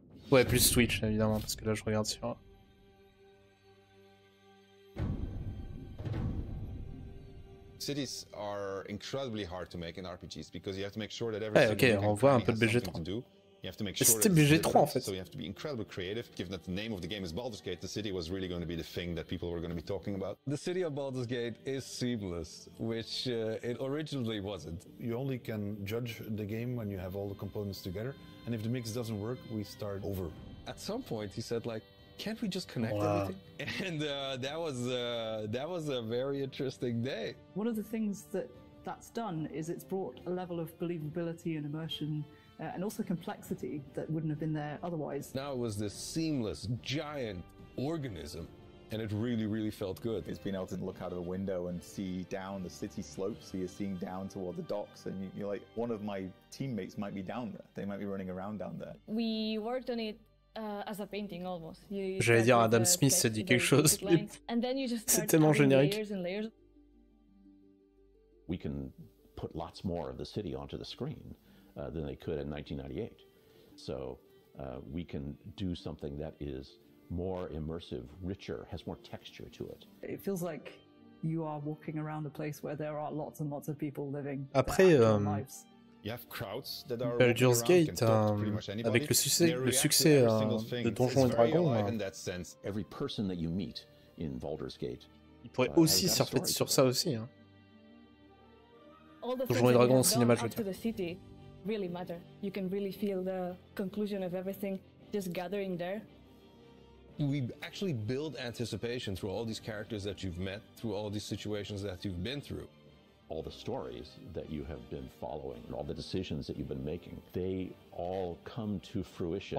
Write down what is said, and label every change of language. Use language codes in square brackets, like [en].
[fr] Ouais, plus Twitch évidemment, parce que là je regarde sur. [en] Cities are incredibly hard to make in RPGs because you have to make sure that everything [fr] okay, on voit un peu de BG3. [en] You have to make sure [fr] BG3 en fait. [en] So you have to be incredibly creative given that the name of the game is Baldur's Gate, the city was really going to be the thing that people were going to be talking about. The city of Baldur's Gate is seamless, which it originally wasn't. You only can judge the game when you have all the components together, and if the mix doesn't work, we start over. At some point he said like, can't we just connect wow. everything? And that was a very interesting day. One of the things that that's done is it's brought a level of believability and immersion and also complexity that wouldn't have been there otherwise. Now it was this seamless, giant organism and it really, really felt good. It's being able to look out of the window and see down the city slopes. So you're seeing down toward the docks and you're like, one of my teammates might be down there. They might be running around down there. We worked on it. As a painting, almost. [fr] J'allais dire Adam Smith, ça dit quelque chose. C'est tellement générique. [en] We can put lots more of the city onto the screen than they could in 1998. So we can do something that is more immersive, richer, has more texture to it. It feels like you are walking around a place where there are lots and lots of people living. [fr] Après. [en] You have crowds that are [fr] Baldur's Gate, avec le succès de Donjons et Dragons, [en] every person that you meet in Baldur's Gate, [fr] il pourrait aussi surfer sur ça aussi. Hein. Donjons et Dragons au cinéma, je veux dire. [en] Really matter. You can really feel the conclusion of everything just gathering there. We actually build anticipation through all these characters that you've met, through all these situations that you've been through. all the stories that you have been following and all the decisions that you've been making, they all come to fruition.